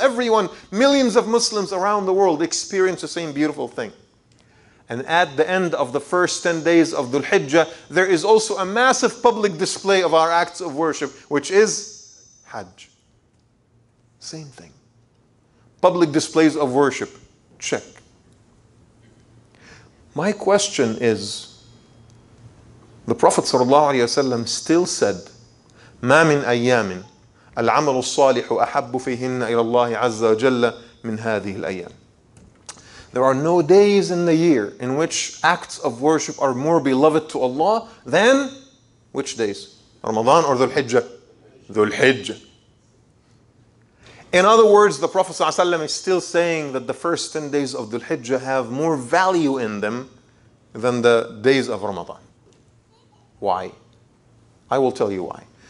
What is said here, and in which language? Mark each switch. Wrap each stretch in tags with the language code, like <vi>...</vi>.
<en>Everyone, millions of Muslims around the world experience the same beautiful thing. And at the end of the first 10 days of Dhul Hijjah, there is also a massive public display of our acts of worship, which is Hajj. Same thing. Public displays of worship, check. My question is, the Prophet ﷺ still said,</en> <ar>ما من أيام العمل الصالح أحب فيهن إلى الله عز وجل من هذه الأيام.</ar> <en>There are no days in the year in which acts of worship are more beloved to Allah than which days? Ramadan or Dhul Hijjah? Dhul Hijjah. In other words, the Prophet ﷺ is still saying that the first 10 days of Dhul Hijjah have more value in them than the days of Ramadan. Why? I will tell you why.</en>